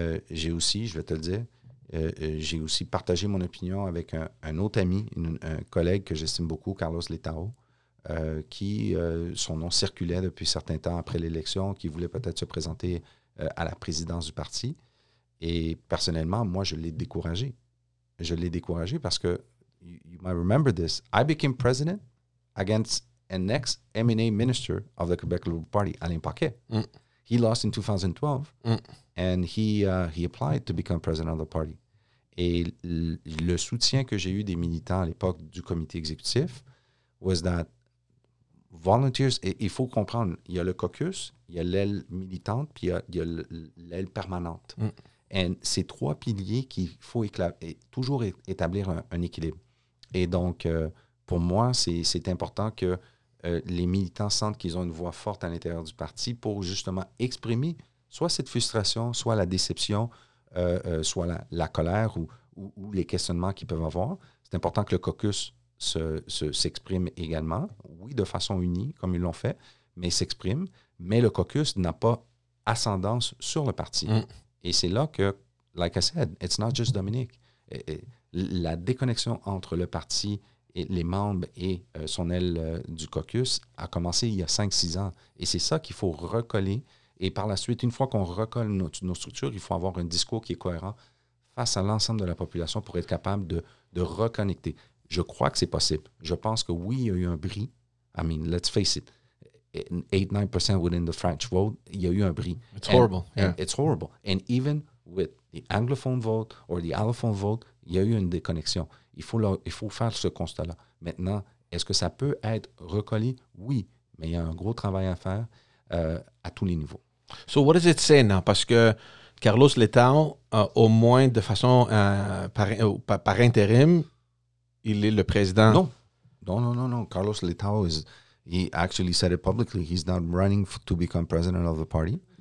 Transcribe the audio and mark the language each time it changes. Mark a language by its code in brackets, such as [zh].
[fr] J'ai aussi, je vais te le dire, j'ai aussi partagé mon opinion avec un autre ami, un collègue que j'estime beaucoup, Carlos Letao, son nom circulait depuis certains temps après l'élection, qui voulait peut-être se présenter à la présidence du parti. Et personnellement, moi, je l'ai découragé. Je l'ai découragé parce que, [en] you might remember this, I became president against an ex-MNA minister of the Quebec Liberal Party, Alain Paquet. Mm. He lost in 2012, and he applied to become president of the party. [fr] Et le soutien que j'ai eu des militants à l'époque du comité exécutif [en] was that volunteers, [fr] et il faut comprendre, il y a le caucus, il y a l'aile militante, puis il y a l'aile permanente. Mm. Et c'est trois piliers qu'il faut toujours établir un équilibre. Et donc, pour moi, c'est important que les militants sentent qu'ils ont une voix forte à l'intérieur du parti pour justement exprimer soit cette frustration, soit la déception, soit la colère ou les questionnements qu'ils peuvent avoir. C'est important que le caucus s'exprime également, oui, de façon unie, comme ils l'ont fait, mais s'exprime. Mais le caucus n'a pas ascendance sur le parti. Mm. Et c'est là que, [en] like I said, it's not just Dominic. [fr] La déconnexion entre le parti et les membres et son aile du caucus a commencé il y a 5-6 ans. Et c'est ça qu'il faut recoller. Et par la suite, une fois qu'on recolle nos structures, il faut avoir un discours qui est cohérent face à l'ensemble de la population pour être capable de reconnecter. Je crois que c'est possible. Je pense que oui, il y a eu un bris. [en] I mean, let's face it. 8-9% within the French vote, [fr] il y a eu un bris. [en] It's horrible. And even with the anglophone vote or the allophone vote, [fr] il y a eu une déconnexion. Il faut faire ce constat-là. Maintenant, est-ce que ça peut être recollé? Oui, mais il y a un gros travail à faire à tous les niveaux. [en] So what does it say now? [fr] Parce que Carlos Letao, au moins de façon par intérim, il est le président. [en] Non. Carlos Letao is... He actually said it publicly. He's not running to become president of the party.